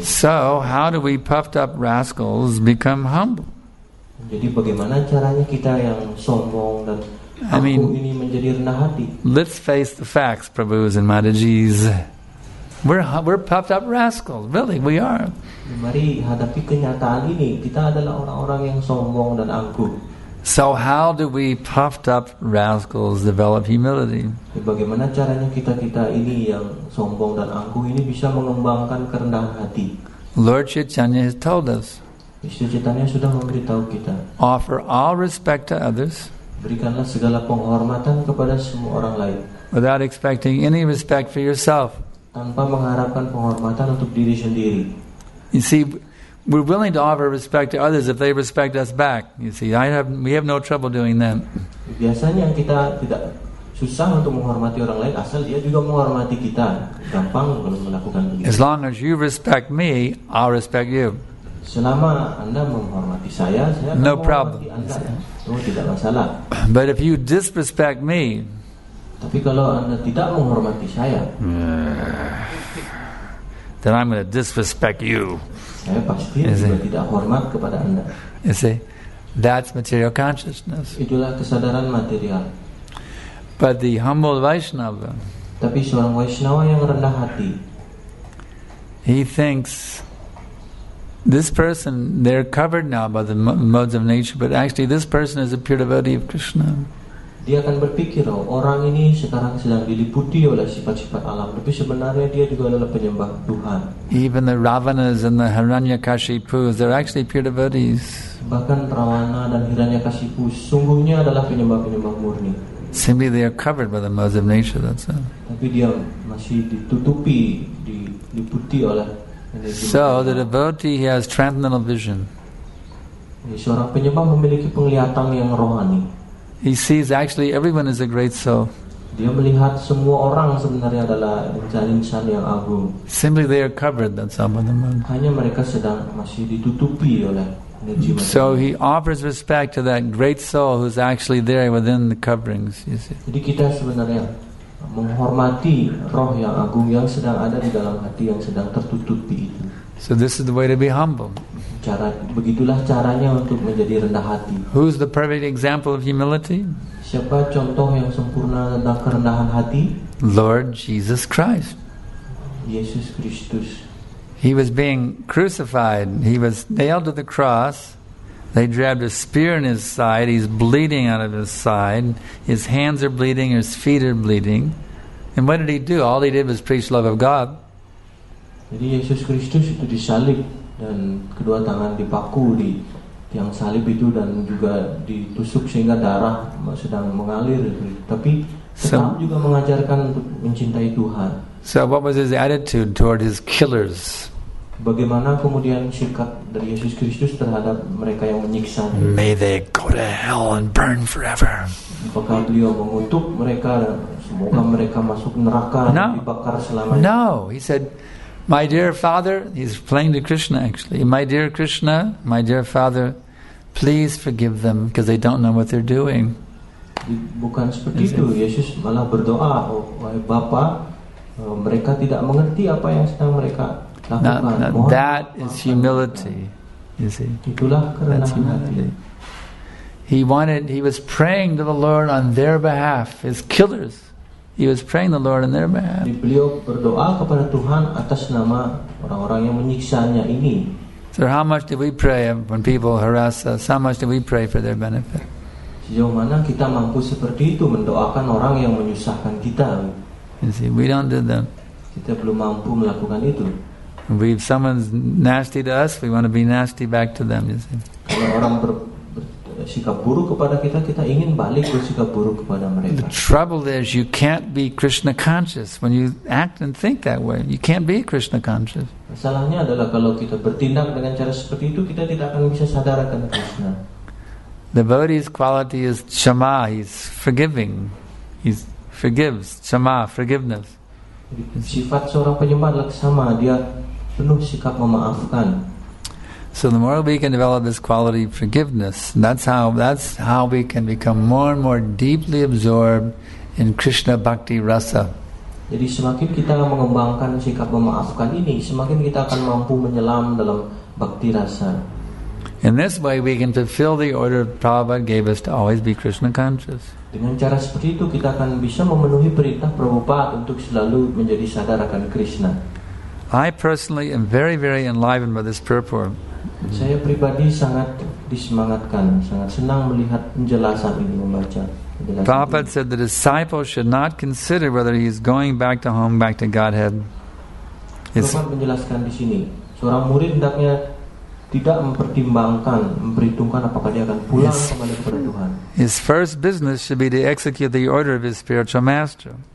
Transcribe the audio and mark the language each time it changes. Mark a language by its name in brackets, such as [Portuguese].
[English] So, how do we puffed up rascals become humble? [Indonesian] Jadi bagaimana caranya kita yang sombong dan angkuh ini menjadi rendah hati? [English] Let's face the facts, Prabhus and Matajis. We're puffed up rascals, really, we are. [Indonesian] Mari hadapi kenyataan ini, kita adalah orang-orang yang sombong dan angkuh. [English] So how do we puffed up rascals develop humility? [Indonesian] Bagaimana caranya kita-kita ini yang sombong dan angkuh ini bisa mengembangkan kerendahan hati? [English] Lord Chaitanya has told us. [Indonesian] Sri Chaitanya sudah memberitahu kita. [English] Offer all respect to others. [Indonesian] Berikanlah segala penghormatan kepada semua orang lain. [English] Without expecting any respect for yourself. [Indonesian] Tanpa mengharapkan penghormatan untuk diri sendiri. [English] You see, we're willing to offer respect to others if they respect us back. You see, we have no trouble doing that. [Indonesian] Biasanya kita tidak susah untuk menghormati orang lain asal dia juga menghormati kita. Gampang kalau melakukan begitu. [English] As long as you respect me, I'll respect you. [Indonesian] Selama Anda menghormati saya akan [English] no problem. [Indonesian] Tidak masalah. [English] But if you disrespect me, [Indonesian] tapi kalau Anda tidak menghormati saya, [English] then I'm going to disrespect you. [Indonesian] Saya pasti juga tidak hormat kepada Anda. [English] You see, that's material consciousness. [Indonesian] Itulah kesadaran material. [English] But the humble Vaishnava, [Indonesian] tapi seorang Vaishnava yang rendah hati, [English] he thinks this person, they're covered now by the modes of nature, but actually this person is a pure devotee of Krishna. [Indonesian] Dia akan berpikir, oh, orang ini sekarang sedang diliputi oleh sifat-sifat alam, tapi sebenarnya dia juga adalah penyembah Tuhan. [English] Even the Ravanas and the Hiranyakashipus, they're actually pure devotees. [Indonesian] Bahkan Ravana dan Hiranyakashipu sungguhnya adalah penyembah-penyembah murni. [English] Simply they are covered by the modes of nature, that's all. [Indonesian] Tapi dia masih ditutupi, diliputi oleh. [English] So the devotee, he has transcendental vision. [Indonesian] Seorang penyembah memiliki penglihatan yang rohani. [English] He sees actually everyone is a great soul. [Indonesian] Dia melihat semua orang sebenarnya adalah insan-insan yang agung. [English] Simply they are covered, that's all, by the moon. [Indonesian] Hanya mereka sedang masih ditutupi oleh energi. [English] So he offers respect to that great soul who's actually there within the coverings, you see. [Indonesian] Jadi kita sebenarnya menghormati roh yang agung yang sedang ada di dalam hati yang sedang tertutupi itu. [English] So this is the way to be humble. [Indonesian] Begitulah caranya untuk menjadi rendah hati. [English] Who's the perfect example of humility? [Indonesian] Siapa contoh yang sempurna tentang kerendahan hati? [English] Lord Jesus Christ. [Indonesian] Yesus Kristus. [English] He was being crucified. He was nailed to the cross. They dragged a spear in his side. He's bleeding out of his side. His hands are bleeding. His feet are bleeding. And what did he do? All he did was preach love of God. [Indonesian] Jadi Yesus Kristus itu disalib dan kedua tangan dipaku di tiang salib itu dan juga ditusuk sehingga darah sedang mengalir. Tapi tetap juga mengajarkan untuk mencintai Tuhan. [English] So what was his attitude toward his killers? [Indonesian] Bagaimana kemudian sikap dari Yesus Kristus terhadap mereka yang menyiksa? [English] May they go to hell and burn forever. [Indonesian] Apakah beliau mengutuk mereka dan semoga mereka masuk neraka dan dibakar selamanya? [English] No, he said, my dear father, he's playing to Krishna actually. My dear Krishna, my dear father, please forgive them because they don't know what they're doing. [Indonesian] Bukan seperti itu. Yesus malah berdoa, wahai Bapa, mereka tidak mengerti apa yang sedang mereka lakukan. [English] That is humility, you see. [Indonesian] Itulah kerendahan hati. [English] He was praying to the Lord on their behalf, his killers. He was praying the Lord in their behalf. [Indonesian] Beliau berdoa kepada Tuhan atas nama orang-orang yang menyiksanya ini. [English] So how much do we pray when people harass us? How much do we pray for their benefit? [Indonesian] Sejauh mana kita mampu seperti itu mendoakan orang yang menyusahkan kita? [English] You see, we don't do that. [Indonesian] Kita belum mampu melakukan itu. [English] If someone's nasty to us, we want to be nasty back to them. You see. [Indonesian] Kalau orang bersikap buruk kepada kita, kita ingin balik bersikap buruk kepada mereka. [English] The trouble is you can't be Krishna conscious when you act and think that way. You can't be Krishna conscious. [Indonesian] Masalahnya adalah kalau kita bertindak dengan cara seperti itu, kita tidak akan bisa sadar akan Krishna. [English] The devotee's quality is chama, he's forgiving. He forgives, chama, forgiveness. [Indonesian] Sifat seorang penyembah adalah sama, dia penuh sikap memaafkan. [English] So the more we can develop this quality of forgiveness, that's how we can become more and more deeply absorbed in Krishna bhakti rasa. [Indonesian] Jadi semakin kita mengembangkan sikap memaafkan ini, semakin kita akan mampu menyelam dalam bhakti rasa. [English] In this way, we can fulfill the order Prabhupada gave us to always be Krishna conscious. [Indonesian] Dengan cara seperti itu, kita akan bisa memenuhi perintah Prabhupada untuk selalu menjadi sadar akan Krishna. [English] I personally am very, very enlivened by this purport. [Indonesian] Saya pribadi sangat disemangatkan, sangat senang melihat penjelasan ini, membaca. [English] Prabhupada said the disciple should not consider whether he is going back to home, back to Godhead. [Indonesian] Prabhupada menjelaskan di sini, seorang murid hendaknya tidak mempertimbangkan, memperhitungkan apakah dia akan pulang kembali kepada Tuhan. [English] His first business should be to execute the order of his spiritual master.